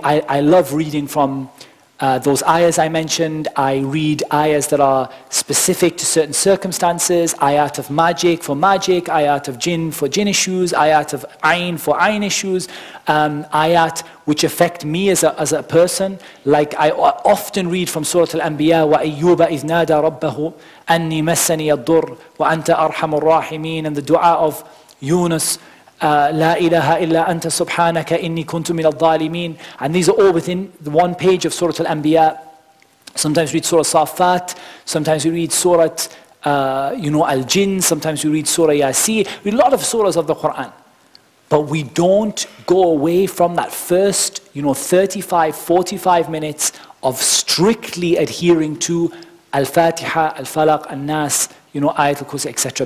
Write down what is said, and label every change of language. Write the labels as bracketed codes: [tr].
[en] I love reading from those ayahs I mentioned. I read ayahs that are specific to certain circumstances. Ayat of magic for magic. Ayat of jinn for jinn issues. Ayat of ayn for ayn issues. Ayat which affect me as a person. Like I often read from Surah Al-Anbiya, [ar] وَأَيُّوبَ إِذْ نَادَى رَبَّهُ أَنِّي مَسَّنِيَ الضُّرُّ وَأَنْتَ أَرْحَمُ الرَّاحِمِينَ, [en] and the dua of Yunus, [ar] لا إله إلا أنت سبحانك إني كنت من الظالمين. [en] And these are all within the one page of Surah Al-Anbiya. Sometimes we read Surah Safat, sometimes we read Surah Al-Jinn, sometimes we read Surah Yasir. We read a lot of surahs of the Quran. But we don't go away from that first, 35, 45 minutes of strictly adhering to Al-Fatiha, Al-Falaq, Al-Nas, Ayat Al-Kursi, etc.